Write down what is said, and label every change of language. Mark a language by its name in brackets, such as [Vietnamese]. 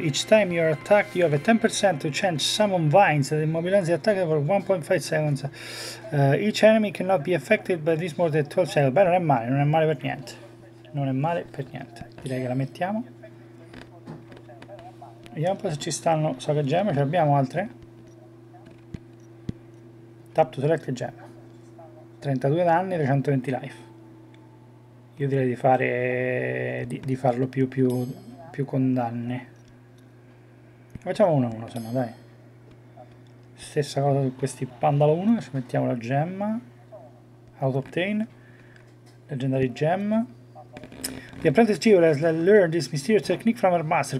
[English] Each time you are attacked, you have a 10% to change summon vines that immobilize the attacker for 1.5 seconds. Each enemy cannot be affected by this more than 12 seconds. [Italian] Beh, non è male, non è male per niente. Non è male per niente. Direi che la mettiamo. Vediamo un po' se ci stanno socket gemme. Ce l'abbiamo altre? [English] Tap to select gem. [Italian] 32 danni e 320 life. Io direi di fare di farlo più con danni. Facciamo uno a uno, se no, dai. Stessa cosa su questi pandaloni, ci mettiamo la gemma. [English] Out obtain. Legendary gem. The apprentice Jewel has learned this mysterious technique from her master.